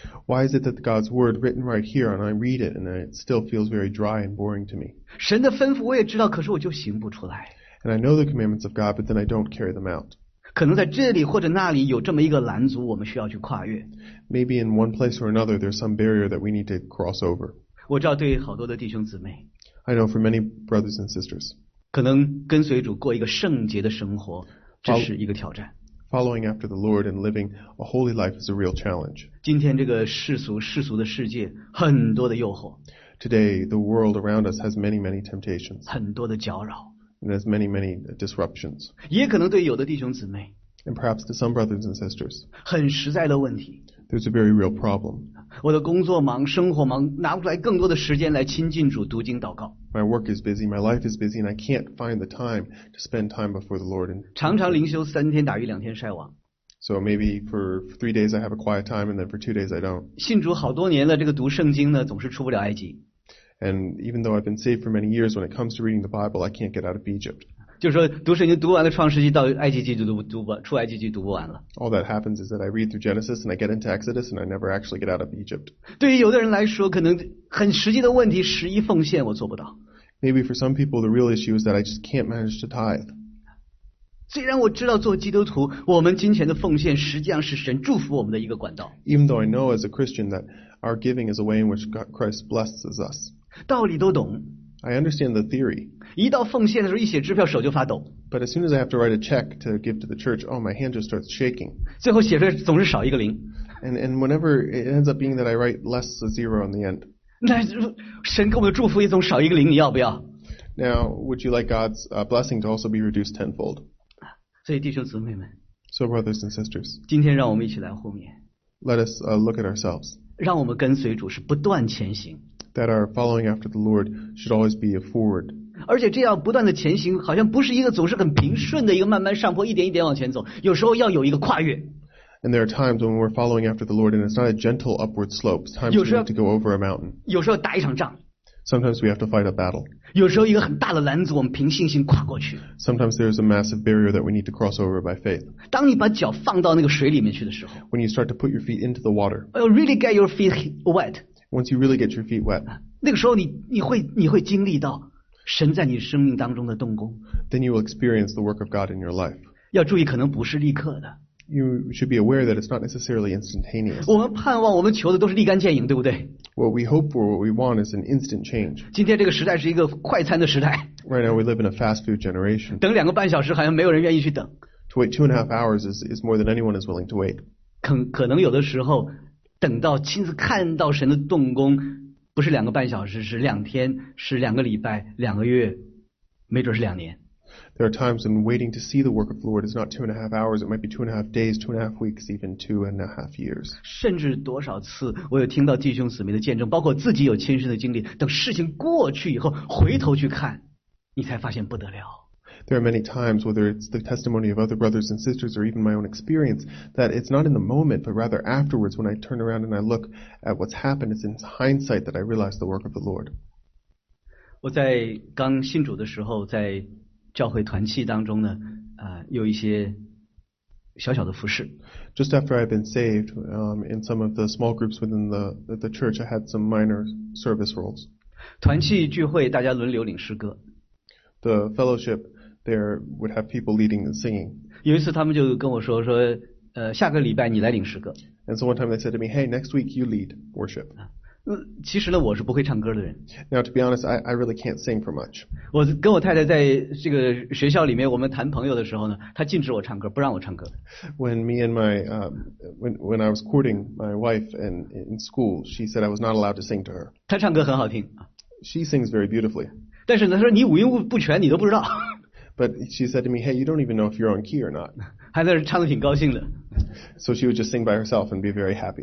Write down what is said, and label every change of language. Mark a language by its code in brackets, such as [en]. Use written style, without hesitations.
[en] Why is it that God's word written right here and I read it and it still feels very dry and boring to me? [zh] 神的吩咐我也知道，可是我就行不出来。 [en] And I know the commandments of God, but then I don't carry them out. [zh] 可能在这里或者那里有这么一个拦阻，我们需要去跨越。 [en] Maybe in one place or another, there's some barrier that we need to cross over. [zh] 我知道对好多的弟兄姊妹 [en] I know for many brothers and sisters [zh] 可能跟随主过一个圣洁的生活这是一个挑战 [en] Following after the Lord and living a holy life is a real challenge [zh] 今天这个世俗的世界很多的诱惑 [en] Today the world around us has many many temptations [zh] 很多的搅扰 [en] And there's many many disruptions [zh] 也可能对有的弟兄姊妹 [en] And perhaps to some brothers and sisters [zh] 很实在的问题 [en] There's a very real problem. [zh] 我的工作忙，生活忙，拿不出来更多的时间来亲近主、读经、祷告。 [en] My work is busy, my life is busy, and I can't find the time to spend time before the Lord. [zh] 常常灵修三天，打鱼两天晒网。 [en] So maybe for 3 days I have a quiet time, and then for 2 days I don't. [zh] 信主好多年了，这个读圣经呢，总是出不了埃及。 [en] And even though I've been saved for many years, when it comes to reading the Bible, I can't get out of Egypt. [zh] 就是说读圣经读完了创世纪到埃及记就读不出埃及记读不完了 [en] All that happens is that I read through Genesis and I get into Exodus and I never actually get out of Egypt [zh] 对于有的人来说可能很实际的问题十一奉献我做不到 [en] Maybe for some people the real issue is that I just can't manage to tithe [zh] 虽然我知道做基督徒，我们金钱的奉献实际上是神祝福我们的一个管道。 [en] Even though I know as a Christian that our giving is a way in which Christ blesses us. [zh] 道理都懂。 [en] I understand the theory. [zh] 一到奉献的时候，一写支票手就发抖。 [en] But as soon as I have to write a check to give to the church, oh, my hand just starts shaking. [zh] 最后写出来总是少一个零。 [en] And whenever it ends up being that I write less a zero on the end. [zh] 那神给我们的祝福也总少一个零，你要不要？ [en] Now, would you like God's blessing to also be reduced tenfold? [zh] 所以弟兄姊妹们 [en] So brothers and sisters [zh] 今天让我们一起来后面 [en] Let us look at ourselves [zh] 让我们跟随主是不断前行 [en] That our following after the Lord should always be a forward [zh] 而且这样不断的前行好像不是一个总是很平顺的一个慢慢上坡一点一点往前走有时候要有一个跨越 [en] And there are times when we're following after the Lord and it's not a gentle upward slope Sometimes we have to go over a mountain [zh] 有时候要打一场仗 [en] Sometimes we have to fight a battle. [zh] 有时候一个很大的拦阻，我们凭信心跨过去。 [en] Sometimes there is a massive barrier that we need to cross over by faith. [zh] 当你把脚放到那个水里面去的时候 [en] ，When you start to put your feet into the water. Really get your feet wet. Once you really get your feet wet. [zh] 那个时候你会经历到神在你生命当中的动工。 [en] Then you will experience the work of God in your life. [zh] 要注意，可能不是立刻的。 [en] You should be aware that it's not necessarily instantaneous. [zh] 我们盼望我们求的都是立竿见影，对不对？ [en] What we hope for, what we want is an instant change. [zh] 今天这个时代是一个快餐的时代。 [en] Right now we live in a fast food generation. [zh] 等两个半小时好像没有人愿意去等。 [en] To wait 2.5 hours is more than anyone is willing to wait. [zh] 可能有的时候等到亲自看到神的动工不是两个半小时是两天是两个礼拜两个月没准是两年。 [en] There are times when waiting to see the work of the Lord is not 2.5 hours, it might be 2.5 days, 2.5 weeks, even 2.5 years. [zh] 甚至多少次我有听到弟兄姊妹的见证，包括自己有亲身的经历，等事情过去以后，回头去看，你才发现不得了。 [en] There are many times, whether it's the testimony of other brothers and sisters or even my own experience, that it's not in the moment, but rather afterwards when I turn around and I look at what's happened, it's in hindsight that I realize the work of the Lord. [zh] 我在刚信主的时候，在教会团契当中呢，有一些小小的服事。 [en] Just after I've been saved, in some of the small groups within the church, I had some minor service roles. [zh] 团契聚会，大家轮流领诗歌。 [en] The fellowship there would have people leading and singing. [zh] 有一次，他们就跟我说，下个礼拜你来领诗歌。 [en] And so one time they said to me, "Hey, next week you lead worship." [zh] 其实呢，我是不会唱歌的人。 [en] Now, to be honest, I really can't sing for much. [zh] 我跟我太太在这个学校里面，我们谈朋友的时候呢，她禁止我唱歌，不让我唱歌。 [en] When me and my when I was courting my wife and in school, she said I was not allowed to sing to her. [zh] 她唱歌很好听。 [en] She sings very beautifully. [zh] 但是她说你五音不全，你都不知道。 [en] But she said to me, "Hey, you don't even know if you're on key or not." [zh] 还在这唱得挺高兴的。 [en] So she would just sing by herself and be very happy.